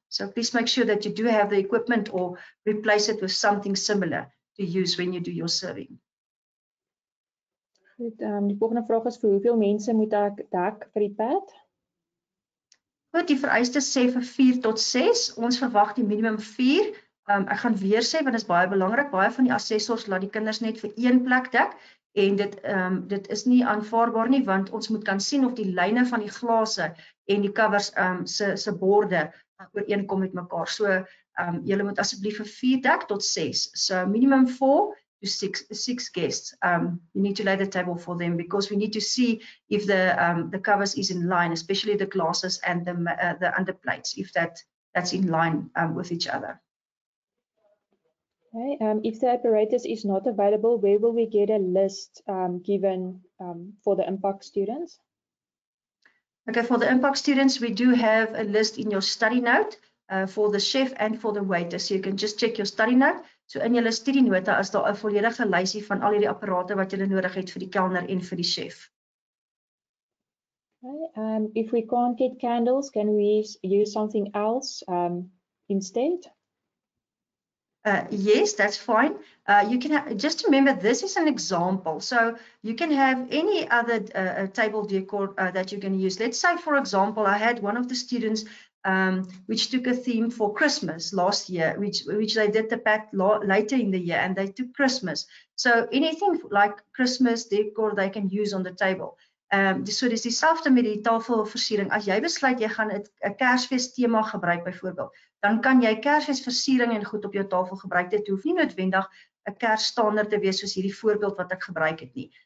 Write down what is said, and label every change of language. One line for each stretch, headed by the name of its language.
English: So please make sure that you do have the equipment or replace it with something similar to use when you do your serving.
Afrikaans: Goed, die volgende vraag is vir hoeveel mense moet ek dek vir die pad? Goed, die vereistes sê vir 4 tot 6. Ons verwag die minimum 4. Ek gaan weer sê, want dit is baie belangrik, baie van die assessors laat die kinders net vir een plek dek, en dit is nie aanvaarbaar nie, want ons moet kan sien of die lyne van die glase en die covers se borde ooreenkom met mekaar. So, julle moet asseblief vir 4 dek tot 6.
English: So, minimum 4 to 6 guests. You need to lay the table for them, because we need to see if the covers is in line, especially the glasses and the underplates, if that's in line with each other. Okay, if the apparatus is not available, where will we get a list given for the impact students? Okay, for the impact students, we do have a list in your study note for the chef and for the waiter. So you can just check your study note. So in your study note, is there a
Afrikaans: volledige lysie van al die apparate wat jy nodig het vir die kelner en vir die chef.
English: Okay, if we can't get candles, can we use something else instead? Yes, that's fine. You can just remember, this is an example. So you can have any other table decor that you can use. Let's say, for example, I had one of the students which took a theme for Christmas last year, which they did the pack later in the year, and they took Christmas. So anything like Christmas decor they can use on the table.
Afrikaans: So dis dieselfde met die tafelversiering. As jy besluit jy gaan 'n Kersfees tema gebruik byvoorbeeld, dan kan jy Kersfeesversiering en goed op jou tafel gebruik. Dit hoef nie noodwendig 'n Kersstandaard te wees soos hierdie voorbeeld wat ek gebruik het nie.